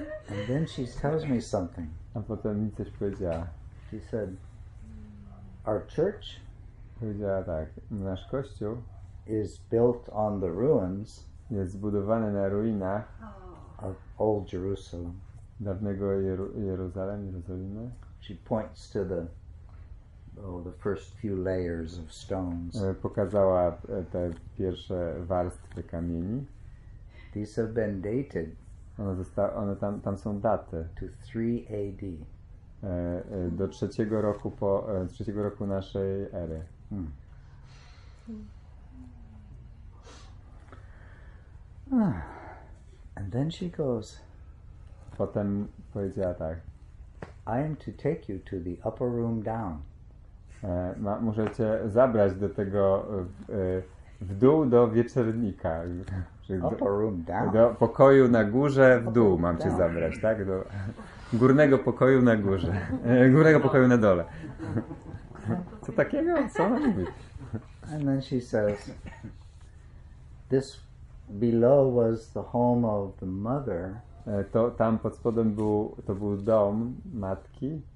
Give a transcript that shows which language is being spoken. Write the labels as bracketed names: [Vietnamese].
[English] And then she tells me something. [Polish] A potem mi coś powiedziała. [English] She said, our church, [Polish] powiedziała tak, nasz kościół [English] is built on the ruins, [Polish] jest zbudowany na ruinach [English] of old Jerusalem. [Polish] Dawnego Jerozolimy. [English] She points to the the first few layers of stones. [Polish] Pokazała te pierwsze warstwy kamieni. [English] These have been dated. [Polish] One tam są daty. [English] To 3 AD. [Polish] Do trzeciego roku po trzeciego roku naszej ery. [English] And then she goes. [Polish] Potem powiedziała tak. [English] I am to take you to the upper room down. [Polish] Muszę cię zabrać do tego w dół do wieczernika. [English] Upper room down. [Polish] Do pokoju na górze w dół mam cię zabrać, tak? Do górnego pokoju na górze. Górnego pokoju na dole. Co takiego? Co ona mówi? [English] And then she says, this below was the home of the mother. [Polish] To tam pod spodem był, to był dom matki